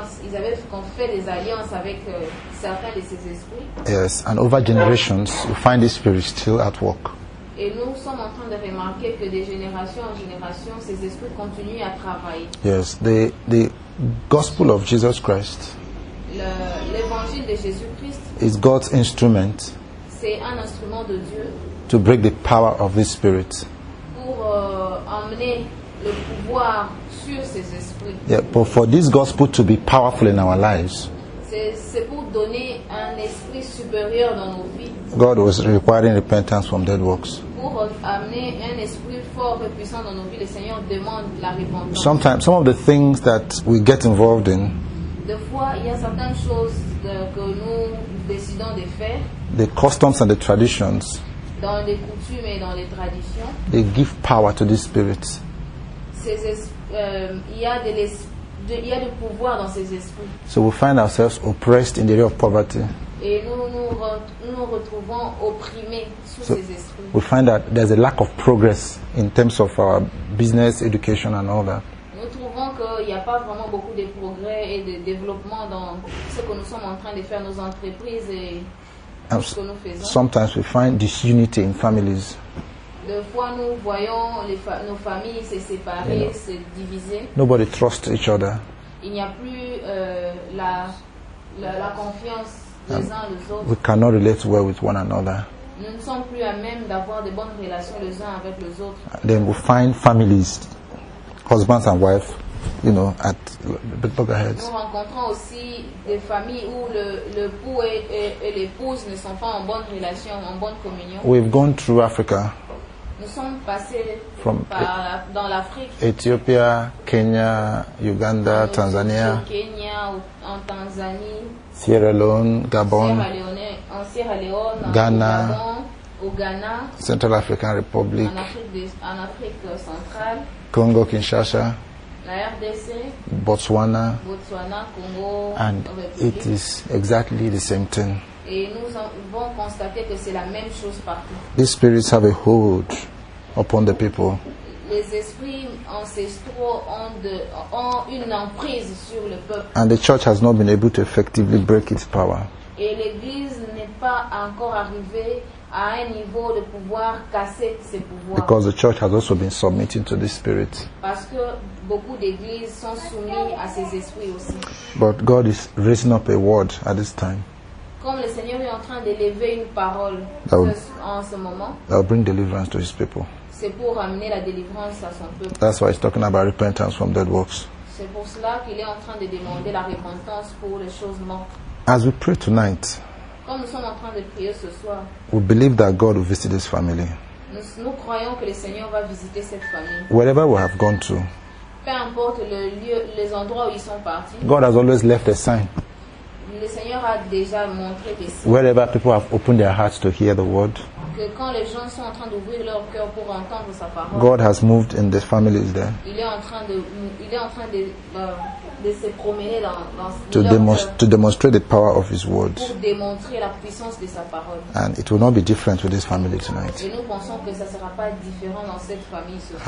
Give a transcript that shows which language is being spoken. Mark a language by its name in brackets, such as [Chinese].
[French] Ils avaient fait des alliances avec certains de ces esprits. [English] Yes, and over generations, we find these spirits still at work. [French] Et nous sommes en train de remarquer que de génération en génération, ces esprits continuent à travailler. [English] Yes, the gospel of Jesus Christ. [French] L'évangile de Jésus Christ. [English] Is God's instrument. [French] C'est un instrument de Dieu. [English] To break the power of this spirit. [French] Pour emmener le pouvoir sur ces esprits. [English] Yeah, but for this gospel to be powerful in our lives. [French] C'est pour donner un esprit supérieur dans nos vies. [English] God was requiring repentance from dead works. [French] Pour amener un esprit fort et puissant dans nos vies, le Seigneur demande la repentance. [English] Sometimes some of the things that we get involved in. [French] Des fois, il y a certaines choses que nous décidons de faire. [English] The customs and the traditions. [French] Dans les coutumes et dans les traditions. [English] They give power to these spirits. [French] Il y a y a du pouvoir dans ces esprits. [English] So we find ourselves oppressed in the area of poverty. [French] Et nous retrouvons opprimés sous ces esprits. [English] We find that there's a lack of progress in terms of our business, education and all that. [French] Nous trouvons qu'il n'y a pas vraiment beaucoup de progrès et de développement dans ce que nous sommes en train de faire, nos entreprises et tout ce que nous faisons. [English] Sometimes we find disunity in families. [French] Des fois, nous voyons nos familles se séparer, se diviser. [English] Nobody trusts each other. [French] Il n'y a plus la confiance les uns les autres. [English] We cannot relate well with one another. [French] Nous ne sommes plus à même d'avoir de bonnes relations les uns avec les autres. [English] Then we find families, husbands and wife, you know, at loggerheads. [French] Nous rencontrons aussi des familles où le époux et l'épouse ne sont pas en bonne relation, en bonne communion. [English] We've gone through Africa. [French] Nous sommes passés dans l'Afrique. [English] Ethiopia, Kenya, Uganda, Tanzania. [French] Kenya, en Tanzanie. [English] Sierra Leone, Gabon. [French] Sierra Leone, [English] Ghana. [French] Au Ghana. [English] Central African Republic. [French] En Afrique centrale. [English] Congo Kinshasa. [French] La RDC. [English] Botswana. [French] Botswana, Congo. [English] And it is exactly the same thing. [French] Et nous avons constaté que c'est la même chose partout. [English] These spirits have a hold upon the people. [French] Les esprits ancestraux ont une emprise sur le peuple. [English] And the church has not been able to effectively break its power. [French] Et l'église n'est pas encore arrivée à un niveau de pouvoir casser ses pouvoirs. [English] Because the church has also been submitting to this spirit. [French] Parce que beaucoup d'églises sont soumises à ces esprits aussi. [English] But God is raising up a word at this time. [French] Comme le Seigneur est en train d'élever une parole en ce moment. [English] That will bring deliverance to his people. [French] C'est pour amener la délivrance à son peuple. [English] That's why he's talking about repentance from dead works. [French] C'est pour cela qu'il est en train de demander la repentance pour les choses mortes. [English] As we pray tonight, [French] comme nous sommes en train de prier ce soir, [English] we believe that God will visit this family. [French] Nous croyons que le Seigneur va visiter cette famille. [English] Wherever we have gone to, [French] peu importe le lieu, les endroits où ils sont partis, [English] God has always left a sign. [French] Le Seigneur a déjà montré des signes. [English] Wherever people have opened their hearts to hear the word, [French] que quand les gens sont en train d'ouvrir leur cœur pour entendre sa parole, [English] God has moved in the families there. [French] Il est en train de se promener dans [English] To demonstrate the power of his word. [French] Pour démontrer la puissance de sa parole. [English] And it will not be different with this family tonight. [French] Et nous pensons que ça ne sera pas différent dans cette famille ce soir.